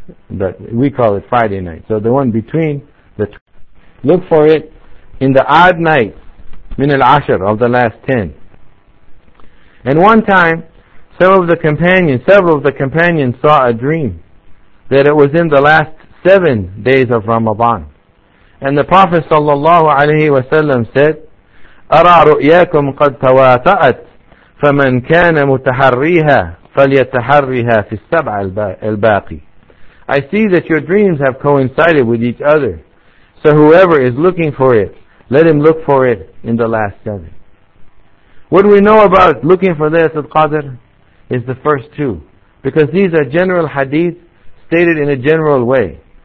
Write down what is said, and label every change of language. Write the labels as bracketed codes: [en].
[en] But we call it Friday night. So the one between the look for it in the odd night, min al-ashr, of the last 10. And one time, several of the companions saw a dream that it was in the last 7 days of Ramadan. And the Prophet sallallahu alaihi wasallam said, [ar] أَرَى رُؤْيَاكُمْ قَدْ تَوَاطَأَتْ فَمَنْ كَانَ مُتَحَرِّيهَا فَلْيَتَحَرِّيهَا فِي السَّبْعَ الْبَاقِي. [en] I see that your dreams have coincided with each other. So whoever is looking for it, let him look for it in the last 7. What we know about looking for Laylatul Qadr is the first 2. Because these are general hadith stated in a general way.